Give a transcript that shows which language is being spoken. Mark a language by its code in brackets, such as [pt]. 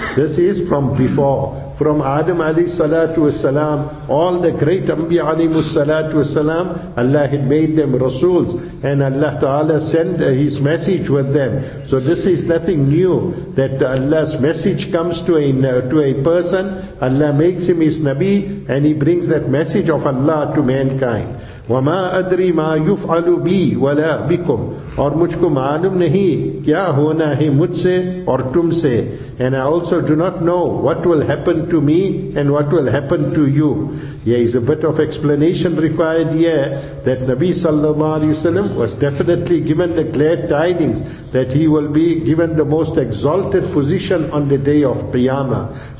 [en] This is from before. From Adam alayhi salatu wa salam, all the great Anbiya alayhi salatu wa salam, Allah had made them Rasuls. And Allah Ta'ala sent His message with them. So this is nothing new, that Allah's message comes to a person. Allah makes him His Nabi, and He brings that message of Allah to mankind. [ar] وَمَا أَدْرِي مَا يُفْعَلُ بِي وَلَا بِكُمْ. [ur] اور مجھ کو معلوم نہیں کیا ہونا ہے مجھ سے اور تم سے. [en] And I also do not know what will happen to me and what will happen to you. Here is a bit of explanation required here, that Nabi sallallahu alayhi wa sallam was definitely given the glad tidings that he will be given the most exalted position on the day of Qiyamah.